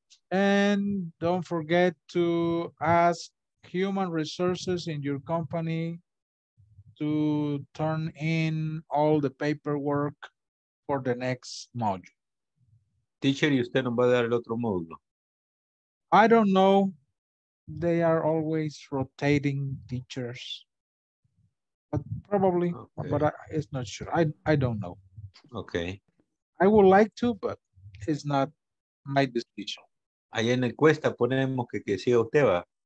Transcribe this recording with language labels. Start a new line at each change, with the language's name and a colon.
English: And don't forget to ask human resources in your company to turn in all the paperwork for the next module.
Spanish: Teacher, ¿y usted no va a dar el otro módulo?
English: I don't know. They are always rotating teachers, but probably, okay. But it's not sure. I don't know. Okay. I would like to, but it's not my decision.
Spanish: Allá en encuesta ponemos que siga usted, va.